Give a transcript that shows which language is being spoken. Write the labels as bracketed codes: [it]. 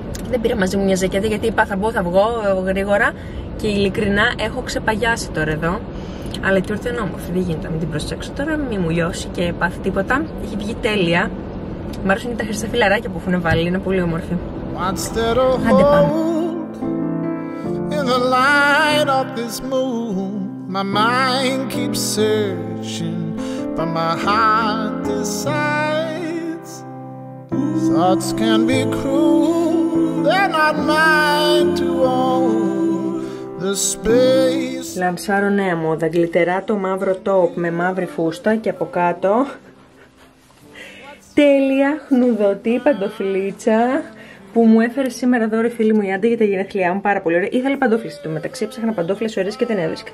[el] Δεν πήρα μαζί μου μια ζακέτα γιατί είπα θα μπω, θα βγω γρήγορα και ειλικρινά έχω ξεπαγιάσει τώρα εδώ. Αλλά η τούρτα είναι όμορφη, δεν γίνεται να μην την προσέξω τώρα, μην μου λιώσει και πάθει τίποτα. Έχει βγει τέλεια. Μ' αρέσουν τα χρυσά φιλαράκια που έχουν βάλει, είναι πολύ όμορφη. Άντε πάμε. [en] In the light of this moon, my mind keeps searching, but my heart decides. Thoughts can be cruel, they're not mine to own. The space. [el] Λανσάρω νέα μόδα, γλιτεράτο μαύρο top με μαύρη φούστα και από κάτω τέλεια χνουδωτή παντοφλίτσα. Που μου έφερε σήμερα δώρο η φίλη μου η Άντα για τα γενέθλιά μου, πάρα πολύ ωραία. Ήθελα παντόφλες στο μεταξύ, ψάχνα παντόφλες ωραίες και δεν έβρισκα.